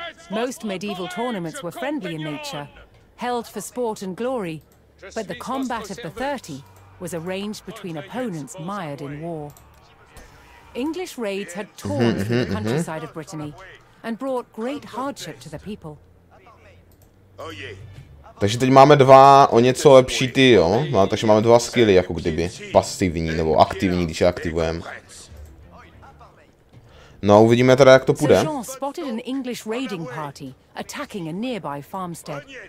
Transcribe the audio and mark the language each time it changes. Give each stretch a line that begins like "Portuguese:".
English: Most medieval tournaments were friendly in nature, held for sport and glory, but the combat of the 30 was arranged between opponents mired in war. English raids had torn through the countryside of Brittany and brought great hardship to the people.
Czech: Takže teď máme dva o něco lepší ty, jo? No, takže máme dva skilly, jako kdyby. Pasivní nebo aktivní, když je aktivujeme. No, uvidíme teda, jak to půjde.
English: Sir Jean spotted an English raiding party attacking a nearby farmstead.